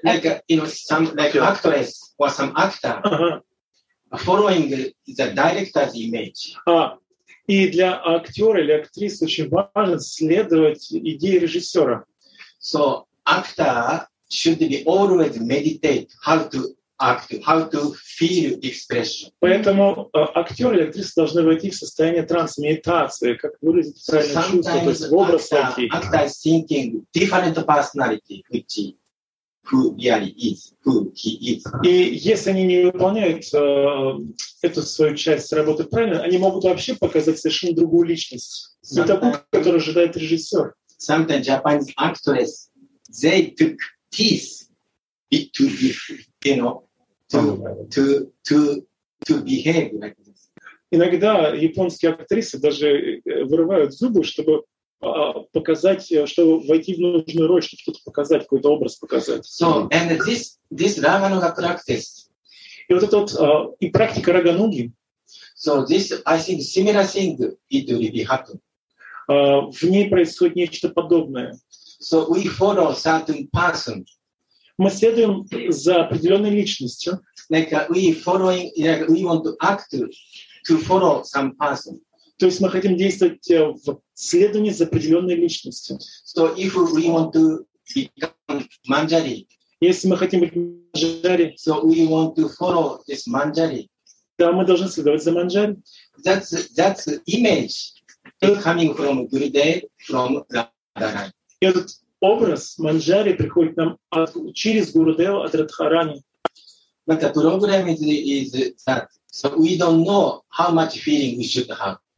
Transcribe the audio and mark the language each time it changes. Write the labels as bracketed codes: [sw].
[en] Like you know, some like actress or some actor following the director's image. [ru] И для актера или актрисы очень важно следовать идее режиссера. [en] So actor should be always meditate how to act, how to feel expression. [ru] Поэтому актер или актриса должны войти в состояние транса, медитации, как выразить правильное чувство, то есть в образ войти. [en] Actor thinking different personality, which who really is, who he is. [ru] И если они не выполняют эту свою часть работы правильно, они могут вообще показать совершенно другую личность. Не такую, которую ожидает режиссер. [en] Sometimes Japanese actors, they took peace to be, you know, to behave like this. [ru] Иногда японские актрисы даже вырывают зубы, чтобы показать, чтобы войти в нужную роль, чтобы что-то показать, какой-то образ показать. [en] So, and this Raganuga practice. [ru] И вот это вот, и практика Рагануги. [en] So, this, I think, similar thing it will be happen. [ru] В ней происходит нечто подобное. [en] So we follow certain person. [ru] Мы следуем за определенной личностью. [en] Like we following, like we want to act to follow some person. [ru] То есть мы хотим действовать в следовании за определенной личностью. [en] So if we want to become Manjari, [ru] если мы хотим быть Манджари, [en] so we want to follow this Manjari, [ru] то мы должны следовать за Манджари. [en] That's image. Coming from Gurudev, from Radharani. [ru] И этот образ Манджари приходит нам через Гурудева от Радхарани. [en] But the problem is that so we don't know how much feeling we should have.